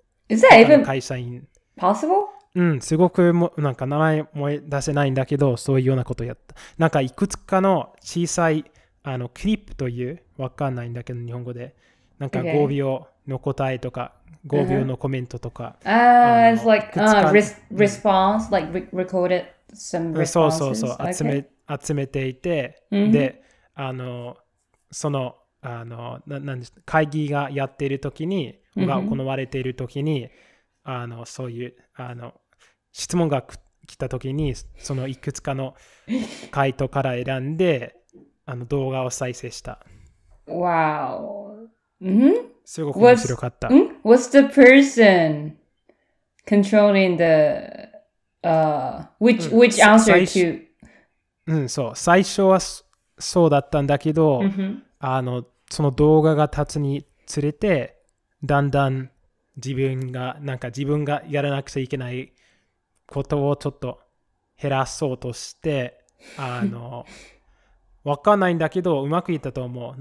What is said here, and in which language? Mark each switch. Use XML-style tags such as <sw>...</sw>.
<en>Is that even possible?</en> <ja>うん、すごくもなんか名前も出せないんだけど、そういうようなことをやった。なんかいくつかの小さいあのクリップという、わかんないんだけど日本語で、なんか5秒の答えとか、</ja> <en>okay.</en> <ja>5秒のコメントとか。あ、uh-huh.</ja> <en>あ、it's like response, like recorded some responses.</en> <ja>そうそうそう、okay. 集めていて、mm-hmm. で、あの、その、あの、なんです、会議がやっているときに、が行われているときに、mm-hmm. あのそういうあの質問が来た時にそのいくつかの回答から選んであの動画を再生した。</ja> <en>Wow.</en> <ja>Mm-hmm. すごく面白かった。</ja> <en>What's the person controlling the which answer to?</en> <ja>うん、そう、最初はそうだったんだけど、 mm-hmm. あのその動画が経つにつれてだんだん自分がなんか自分がやらなくちゃいけないことをちょっと減らそうとしてあの分かんないんだけどうまくいったと思う。</ja>